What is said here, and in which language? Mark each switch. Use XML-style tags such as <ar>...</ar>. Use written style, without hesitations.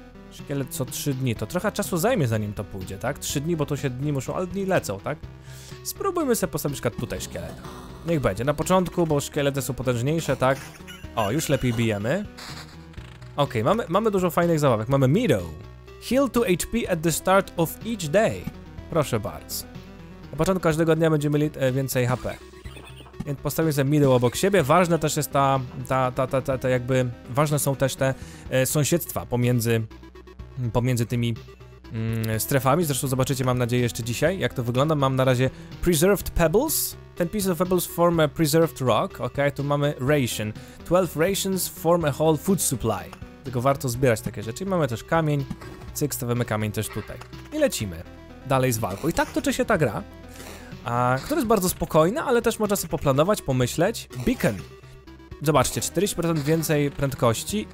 <pl>Szkielet co 3 dni, to trochę czasu zajmie zanim to pójdzie, tak? 3 dni, bo to się dni muszą, ale dni lecą, tak? Spróbujmy sobie postawić na tutaj szkielet. Niech będzie, na początku, bo szkielety są potężniejsze, tak? O, już lepiej bijemy. Okej, okay, mamy dużo fajnych zabawek, mamy Miro.</pl> <en>Heal to HP at the start of each day.</en> <pl>Proszę bardzo. Na początku każdego dnia będziemy mieli więcej HP. Więc postawimy sobie Miro obok siebie. Ważne też jest ta jakby... Ważne są też te sąsiedztwa pomiędzy tymi strefami. Zresztą zobaczycie, mam nadzieję, jeszcze dzisiaj, jak to wygląda. Mam na razie preserved pebbles.</pl> <en>Ten piece of pebbles form a preserved rock. Ok,</en> <pl>tu mamy</pl> <en>ration. 12 rations form a whole food supply.</en> <pl>Tylko warto zbierać takie rzeczy. I mamy też kamień. Cyk, stawiamy kamień też tutaj. I lecimy dalej z walką. I tak toczy się ta gra, która jest bardzo spokojna, ale też można sobie poplanować, pomyśleć. Beacon. Zobaczcie, 40% więcej prędkości.</pl>